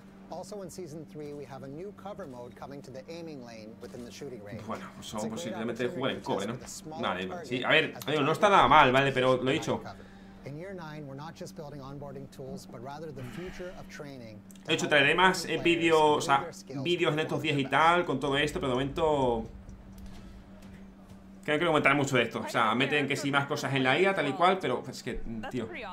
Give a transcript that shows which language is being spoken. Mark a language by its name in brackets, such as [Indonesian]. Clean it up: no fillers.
[English] Also in season 3 we have a new cover mode coming to the aiming lane within the shooting range. [Spanish] Bueno, pues vamos posiblemente a jugar en cobre, ¿no? Nada, sí, a ver, digo, no está nada mal, ¿vale? Pero lo he dicho. [English] In year 9 we're not just building onboarding tools, but rather the future of training. [Spanish] De hecho, traeré más vídeos, o sea, vídeos en estos días y tal con todo esto, pero de momento creo que comentaré mucho de esto. O sea, meten que sí más cosas en la IA, tal y cual, pero es que, tío.